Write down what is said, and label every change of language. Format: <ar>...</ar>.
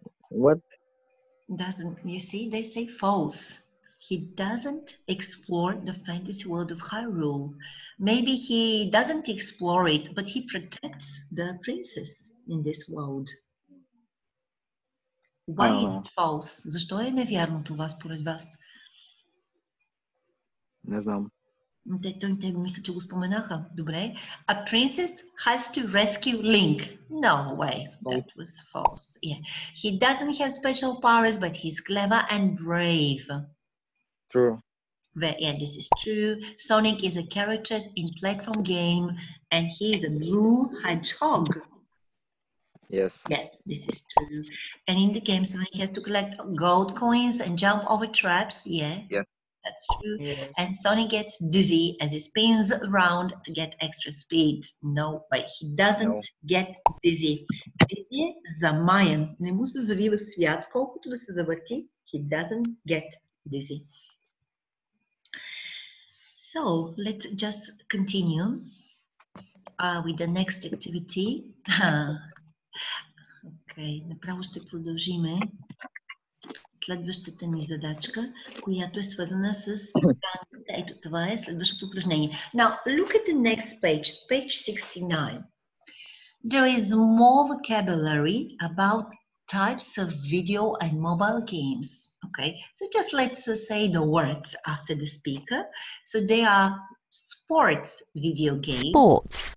<en>What? Doesn't, you see, they say false. He doesn't explore the fantasy world of Hyrule. Maybe he doesn't explore it, but he protects the princess in this world. Why is it false?</en> <bg>Защо е невярно това според вас? Не знам. Те мисля, че го споменаха. Добре.</bg> <en>A princess has to rescue Link. No way. That was false. Yeah. He doesn't have special powers, but he's clever and brave. True. Yeah, this is true. Sonic is a character in platform game and he is a blue hedgehog. Yes. Yes, this is true. And in the game, Sonic has to collect gold coins and jump over traps. Yeah. Yeah. That's true. Yeah. And Sonic gets dizzy as he spins around to get extra speed. No, but he doesn't get dizzy. Dizzy</en> <bg>е замаян. Не му се завива свят, колкото да се завърти.</bg> <en>He doesn't get dizzy. So, let's just continue with the next activity.</en> <bg>Okay, направо ще продължиме. Следващата ни задачка, която е свързана с данните. Ето това е следващото упражнение.</bg> <en>Now, look at the next page, page 69. There is more vocabulary about types of video and mobile games. Okay, so just let's say the words after the speaker. So they are sports video games. Sports.</en>